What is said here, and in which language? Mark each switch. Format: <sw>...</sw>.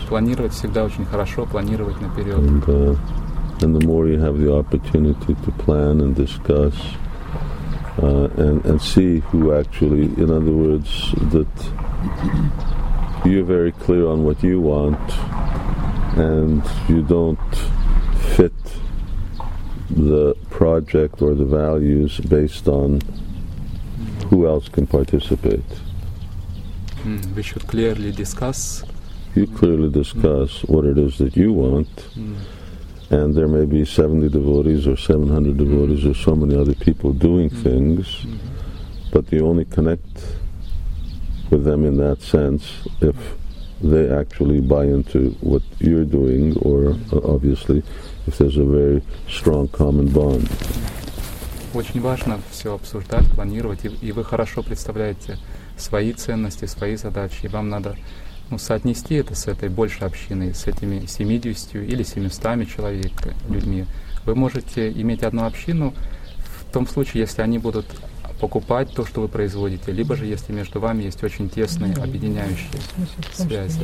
<ru>Планировать всегда очень хорошо, планировать наперед.</ru> <en>And the more you have the opportunity to plan and discuss, and see who actually, in other words, that you're very clear on what you want and you don't fit the project or the values based on who else can participate? We should clearly discuss. You clearly discuss what it is that you want, and there may be 70 devotees or 700 devotees or so many other people doing things, but you only connect with them in that sense if they actually buy into what you're doing, or obviously if there's a very strong common bond.</en> <ru>Очень важно все обсуждать, планировать, и вы хорошо представляете свои ценности, свои задачи, и вам надо соотнести это с этой большей общиной, с этими 70 или 700 человек, людьми. Вы можете иметь одну общину в том случае, если они будут покупать то, что вы производите, либо же если между вами есть очень тесные, объединяющие связи.</ru>